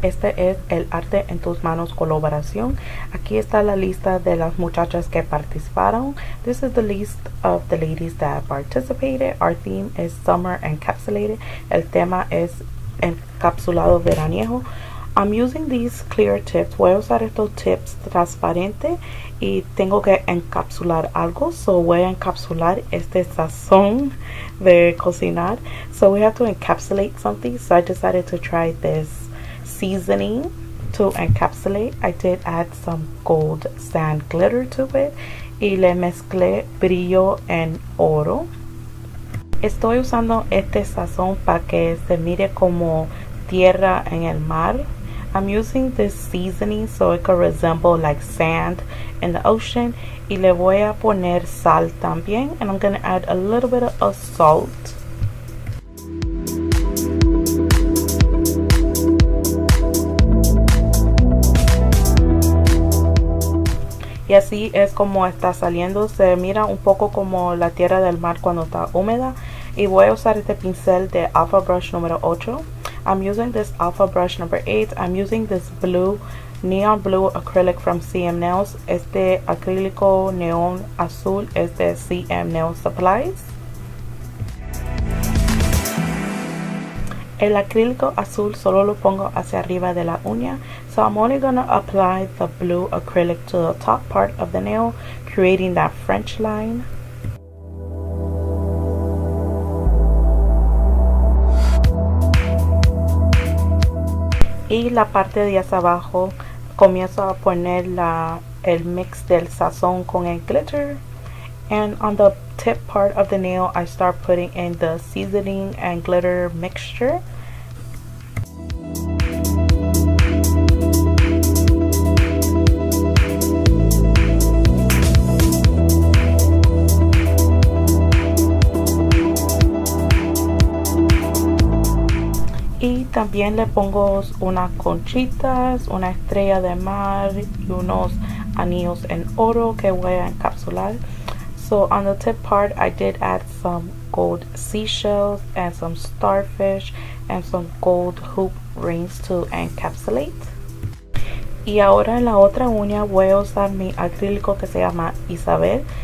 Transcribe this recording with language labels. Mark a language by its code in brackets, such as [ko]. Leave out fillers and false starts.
[es] Este es el arte en tus manos colaboración. Aquí está la lista de las muchachas que participaron. [en] This is the list of the ladies that participated. Our theme is summer encapsulated. [es] El tema es encapsulado veraniego. [en] I'm using these clear tips. [es] Voy a usar estos tips transparentes y tengo que encapsular algo. So voy a encapsular este sazón de cocinar. [en] So we have to encapsulate something. So I decided to try this seasoning to encapsulate. I did add some gold sand glitter to it. [es] Y le mezclé brillo en oro. Estoy usando este sazón para que se mire como tierra en el mar. [en] I'm using this seasoning so it could resemble like sand in the ocean. [es] Y le voy a poner sal también. [en] And I'm going to add a little bit of salt. [es] Y así es como está saliendo. Se mira un poco como la tierra del mar cuando está húmeda. Y voy a usar este pincel de Alpha Brush número 8. [en] I'm using this Alpha Brush number 8. I'm using this blue, neon blue acrylic from CM Nails. [es] Este acrílico neón azul es de CM Nail Supplies. El acrílico azul solo lo pongo hacia arriba de la uña. [en] So I'm only gonna apply the blue acrylic to the top part of the nail, creating that French line. [es] Y la parte de hacia abajo comienzo a poner el mix del sazón con el glitter. [en] And on the tip part of the nail, I start putting in the seasoning and glitter mixture. [es] Y también le pongo unas conchitas, una estrella de mar y unos anillos en oro que voy a encapsular. [en] So on the tip part, I did add some gold seashells and some starfish and some gold hoop rings to encapsulate. [es] Y ahora en la otra uña voy a usar mi acrílico que se llama Isabel.